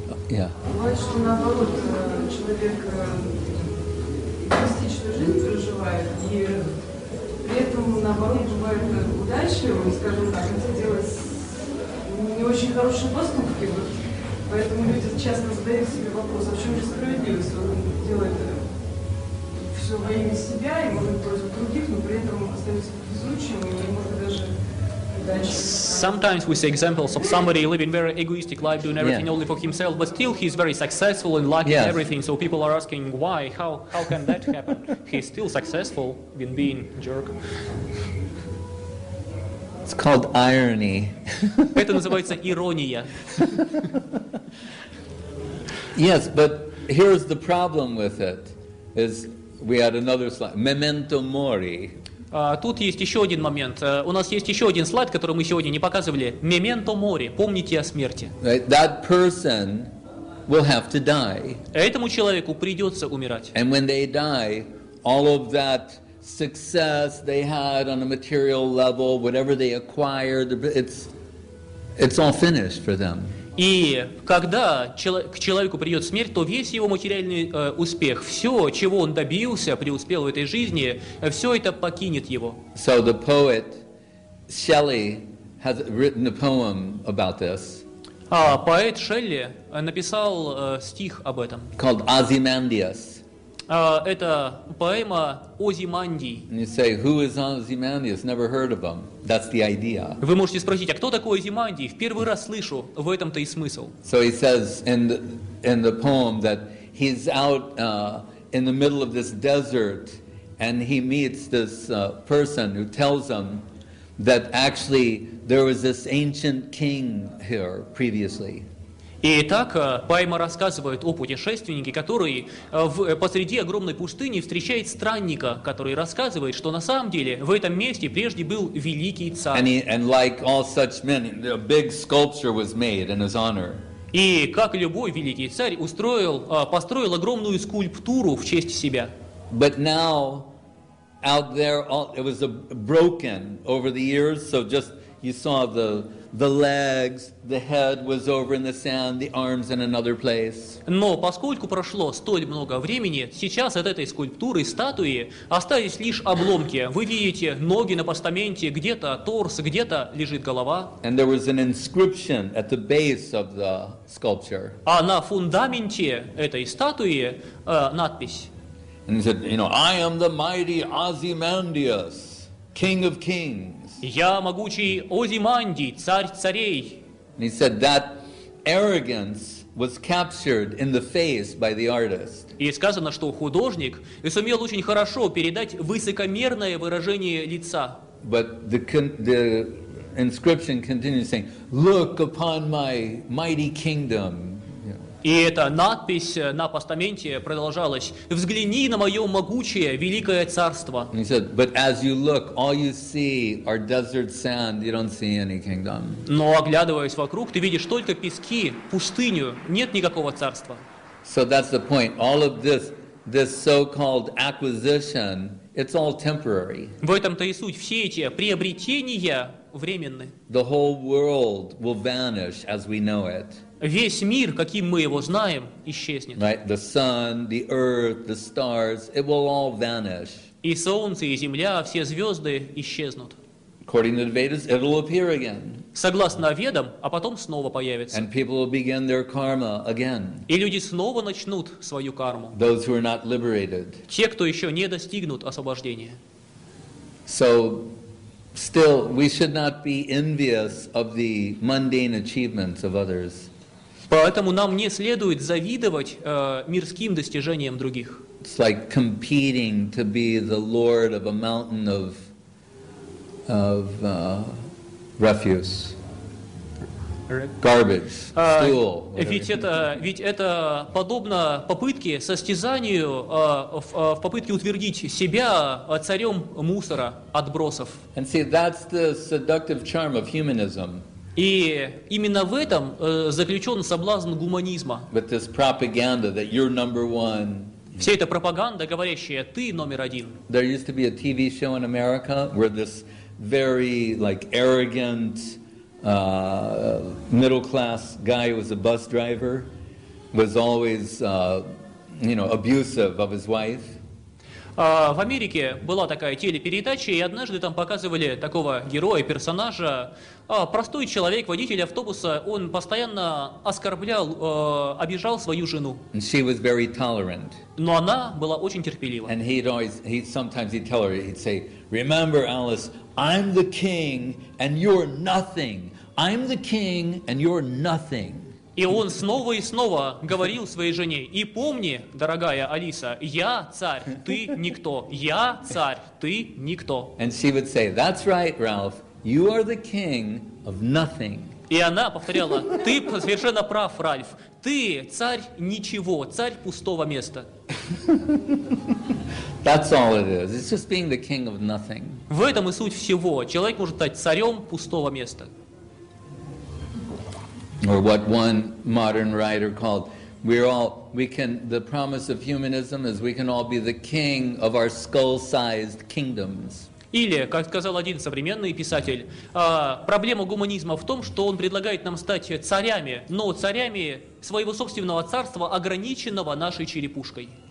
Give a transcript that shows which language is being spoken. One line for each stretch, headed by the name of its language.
Russian: Бывает, что наоборот, человек эгоистичную жизнь проживает, и при этом, наоборот, бывает удачливым, скажем так, хотя делать не очень хорошие поступки. Вот. Поэтому люди часто задают себе вопрос, а в чем же справедливость? Он делает все во имя себя и может просто других, но при этом остается везучим и может даже...
English: Sometimes we see examples of somebody living very egoistic life, doing everything only for himself, but still he's very successful and lucky and everything. So people are asking why, how can that happen? He's still successful in being a jerk. It's called irony.
Russian: Это называется ирония.
English: Yes, but here's the problem with it. Is we had another slide, memento mori.
Russian: Тут есть еще один момент. У нас есть еще один слайд, который мы сегодня не показывали. Мементо море. Помните о смерти.
English: Right? That person will have to die.
Russian: Этому человеку придется умирать.
English: And when they die, all of that success they had on a material level, whatever they acquired, it's all finished for them.
Russian: И когда к человеку придет смерть, то весь его материальный успех, все, чего он добился, преуспел в этой жизни, все это покинет его.
English: So the poet Shelley has written a poem about this.
Russian: А поэт Шелли написал стих об этом.
English: Called Ozymandias.
Russian: Это поэма Озимандий.
English: And you say, who is Ozymandias? Never heard of him. That's the idea.
Russian: Вы можете спросить, а кто такой Озимандий? В первый раз слышу. В этом-то и смысл.
English: So he says in the poem that he's out in the middle of this desert and he meets this person who tells him that actually there was this ancient king here previously.
Russian: И так поэма рассказывает о путешественнике, который посреди огромной пустыни встречает странника, который рассказывает, что на самом деле в этом месте прежде был великий царь.
English: And like all such men, a big sculpture was made in his honor.
Russian: И как любой великий царь построил огромную скульптуру в честь себя.
English: But now, out there, it was broken over the years, so just you saw the legs, the head was over in the sand, the arms in another place.
Russian: Но поскольку прошло столь много времени, сейчас от этой скульптуры, статуи, остались лишь обломки. Вы видите ноги на постаменте, где-то торс, где-то лежит голова.
English: And there was an inscription at the base of the sculpture.
Russian: А на фундаменте этой статуи надпись.
English: And he said, you know, I am the mighty Ozymandias, king of kings.
Russian: Я могучий Озимандий, царь царей.
English: He said that arrogance was captured in the face by the artist.
Russian: И сказано, что художник сумел очень хорошо передать высокомерное выражение лица.
English: But the inscription continues saying, "Look upon my mighty kingdom."
Russian: И эта надпись на постаменте продолжалась: «Взгляни на мое могучее, великое царство».
English: He said, but as you look, all you see are desert sand. You don't see any kingdom.
Russian: Но оглядываясь вокруг, ты видишь только пески, пустыню. Нет никакого царства.
English: So that's the point. All of this so-called acquisition, it's all temporary.
Russian: В этом-то и суть. Все эти приобретения временны.
English: The whole world will vanish as we know it.
Russian: Весь мир, каким мы его знаем, исчезнет.
English: Right? The sun, the earth, the stars, it will all vanish.
Russian: И солнце, и земля, все звезды исчезнут.
English: According to the Vedas, it will appear again.
Russian: Согласно Ведам, а потом снова появится.
English: And people will begin their karma again.
Russian: И люди снова начнут свою карму.
English: Those who are not liberated.
Russian: Те, кто еще не достигнут освобождения.
English: So, still, we should not be envious of the mundane achievements of others.
Russian: Поэтому нам не следует завидовать мирским достижениям других.
English: It's like competing to be the lord of a mountain of refuse. Garbage, stool.
Russian: Ведь это подобно попытке, состязанию, в попытке утвердить себя царем мусора, отбросов.
English: And see, that's the seductive charm of humanism.
Russian: И именно в этом заключен соблазн гуманизма.
English: But this propaganda that you're number one.
Russian: Вся эта пропаганда, говорящая «ты номер один».
English: There used to be a TV show in America where this very like arrogant middle-class guy was a bus driver. was always, you know, abusive of his wife.
Russian: В Америке была такая телепередача, и однажды там показывали такого героя, персонажа. Простой человек, водитель автобуса, он постоянно оскорблял, обижал свою жену.
English: And she was very tolerant.
Russian: Но она была очень терпелива.
English: And he'd tell her, he'd say, "Remember, Alice, I'm the king, and you're nothing. I'm the king, and you're nothing."
Russian: И он снова и снова говорил своей жене: «И помни, дорогая Алиса, я царь, ты никто. Я царь, ты никто».
English: And she would say, "That's right, Ralph. You are the king of nothing."
Russian: И она повторяла: «Ты совершенно прав, Ральф. Ты царь ничего, царь пустого места».
English: That's all it is. It's just being the king of nothing.
Russian: В этом и суть всего. Человек может стать царем пустого места.
English: Or what one modern writer called, the promise of humanism is we can all be the king of our skull-sized kingdoms.
Russian: Или, как сказал один современный писатель, проблема гуманизма в том, что он предлагает нам стать царями, но царями своего собственного царства, ограниченного нашей черепушкой.